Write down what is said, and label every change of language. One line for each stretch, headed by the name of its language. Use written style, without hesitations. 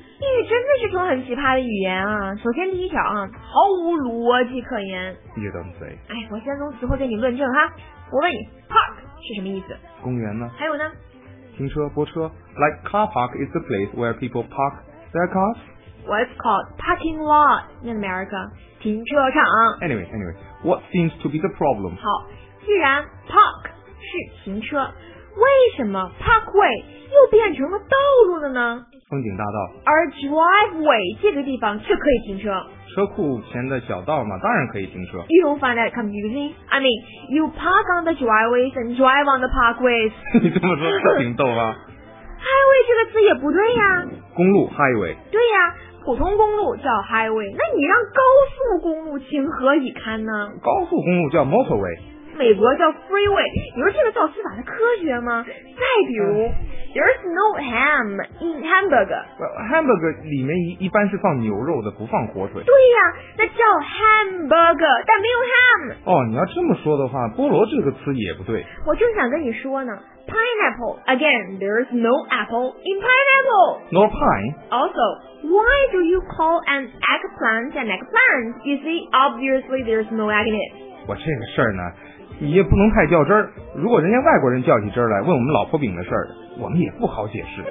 Chinese: 英语真的是种很奇葩的语言啊！首先第一条啊，毫无逻辑可言。
English: You don't say.
Chinese: 哎，我先从词汇给你论证哈。我问你 ，park 是什么意思？公园呢？还有呢？停车泊车
English: ，like car park is the place where people park their cars. What is called parking lot in America?
Chinese: 停车场。
English: Anyway, what seems to be the problem?
Chinese: 好，既然 park 是停车，为什么 parkway 又变成了道路了呢？风景大道，而 driveway 这个地方却可以停车。车库前的小道嘛，当然可以停车。
English: You don't find that confusing? I mean, you park on the driveways and drive on the parkways.
Chinese: 你这么说是挺逗吧？Highway 这个字也不对呀。公路 highway。对呀，普通公路叫 highway， 那你让高速公路情何以堪呢？高速公路叫 motorway。美国叫 freeway， 你说这个造词法它科学吗？再比如、
English: there's no ham in hamburger。
Chinese: Hamburger 里面一般是放牛肉的，不放火腿。对呀、那叫 hamburger， 但没有 ham。哦，你要这么说的话，菠萝这个词也不对。我正想跟你说呢
English: ，pineapple again， there's no apple in pineapple， nor pine。 Also， why do you call an eggplant an eggplant？ You see， obviously there's no egg in it。
Chinese: 我这个事儿呢。你也不能太较真儿，如果人家外国人较起真儿来问我们老婆饼的事儿，我们也不好解释。